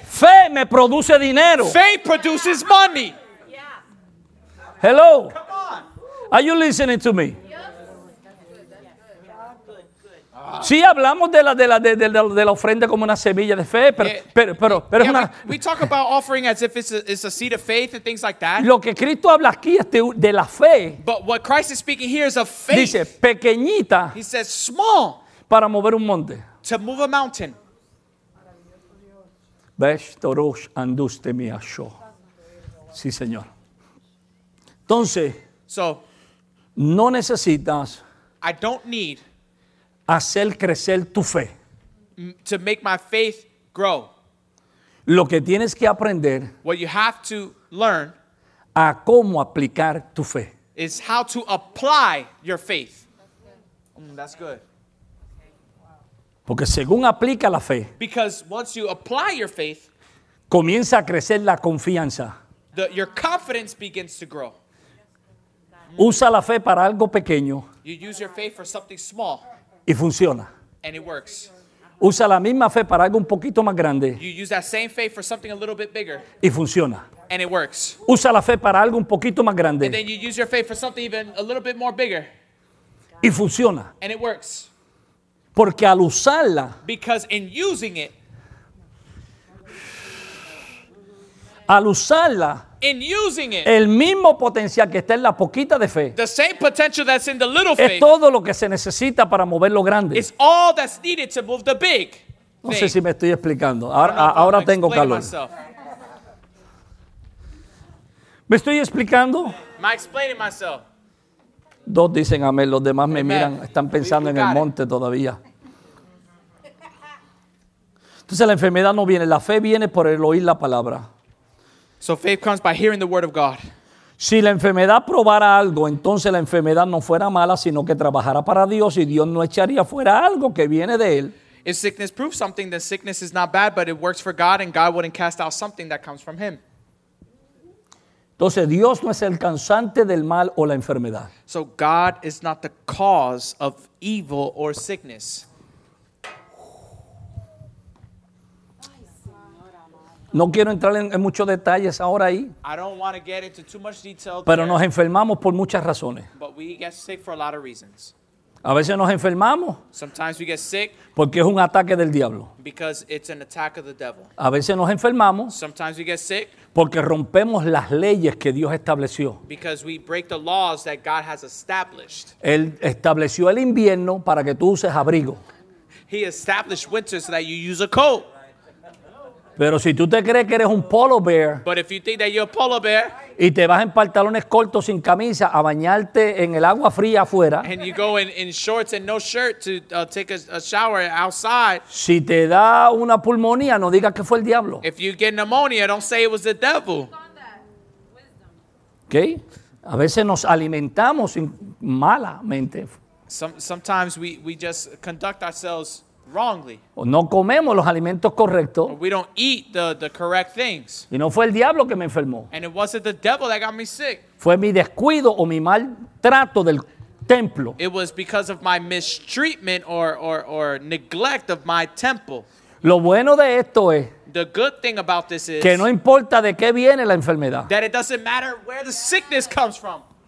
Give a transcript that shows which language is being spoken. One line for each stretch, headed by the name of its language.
Spanish: Fe me produce dinero.
English: Faith produces money. Hello. Come on. Are you listening to me?
Spanish: Sí, hablamos de la ofrenda como una semilla de fe, pero
English: yeah,
Spanish: una,
English: we talk about offering as if it's a seed of faith and things like that.
Spanish: Lo que Cristo habla aquí es de la fe.
English: But what Christ is speaking here is of faith.
Spanish: Dice pequeñita.
English: He says small.
Spanish: Para mover un monte.
English: To move a mountain. Vestoros anduste mi asho.
Spanish: Sí, señor. Entonces,
English: so,
Spanish: no necesitas,
English: I don't need,
Spanish: hacer crecer tu fe.
English: To make my faith grow.
Spanish: Lo que tienes que aprender,
English: what you have to learn,
Spanish: a cómo aplicar tu fe.
English: Is how to apply your faith. That's good.
Spanish: Porque según aplica la fe,
English: because once you apply your faith,
Spanish: comienza a crecer la confianza.
English: Your confidence begins to grow.
Spanish: Usa la fe para algo pequeño.
English: You use your faith for something small.
Spanish: Y funciona.
English: And it works.
Spanish: Usa la misma fe para algo un poquito más grande.
English: You use that same faith for something a little bit bigger.
Spanish: Y funciona.
English: And it works.
Spanish: Usa la fe para algo un poquito más grande.
English: And then you use your faith for something even a little bit more bigger.
Spanish: Y funciona.
English: And it works.
Spanish: Porque al usarla,
English: because in using it,
Spanish: al usarla,
English: in using it.
Spanish: El mismo potencial que está en la poquita de fe.
English: The same potential that's in the little faith.
Spanish: Es todo lo que se necesita para mover lo grande.
English: It's all that's needed to move the big.
Spanish: No sé si me estoy explicando. Ahora tengo calor. ¿Me estoy explicando?
English: Am I explaining myself?
Spanish: Dos dicen amén. Los demás me miran. Están pensando en el monte todavía. Entonces la enfermedad no viene. La fe viene por el oír la palabra.
English: So faith comes by hearing the word of God.
Spanish: Si la enfermedad probara algo, entonces la enfermedad no fuera mala, sino que trabajara para Dios y Dios no echaría fuera algo que viene de él.
English: If sickness proves something, then sickness is not bad, but it works for God and God wouldn't cast out something that comes from him.
Spanish: Entonces Dios no es el causante del mal o la enfermedad.
English: So God is not the cause of evil or sickness.
Spanish: No quiero entrar en muchos detalles ahora ahí.
English: I don't want to get into too much detail.
Spanish: Pero nos enfermamos por muchas razones.
English: But we get sick for a lot of reasons.
Spanish: A veces nos enfermamos.
English: Sometimes we get sick.
Spanish: Porque es un ataque del diablo.
English: Because it's an attack of the devil.
Spanish: A veces nos enfermamos.
English: Sometimes we get sick.
Spanish: Porque rompemos las leyes que Dios estableció.
English: Because we break the laws that God has established.
Spanish: Él estableció el invierno para que tú uses abrigo.
English: He established winter so that you use a coat.
Spanish: Pero si tú te crees que eres un
English: polo bear, but if you think that you're a polo bear,
Spanish: y te vas en pantalones cortos sin camisa a bañarte en el agua fría afuera,
English: and you go in shorts and no shirt to take a shower outside,
Spanish: si te da una pulmonía, no digas que fue el diablo.
English: If you get pneumonia, don't say it was the devil. Okay?
Spanish: A veces nos alimentamos malamente.
English: Sometimes we just conduct ourselves wrongly.
Spanish: O no comemos los alimentos correctos.
English: Or we don't eat the correct things.
Spanish: Y no fue el diablo que me enfermó.
English: And it wasn't the devil that got me sick.
Spanish: Fue mi descuido o mi maltrato del templo.
English: It was because of my mistreatment or neglect of my temple.
Spanish: Lo bueno de esto es,
English: the good thing about this is,
Spanish: que no importa de qué viene la enfermedad.
English: That it doesn't matter where the sickness comes from.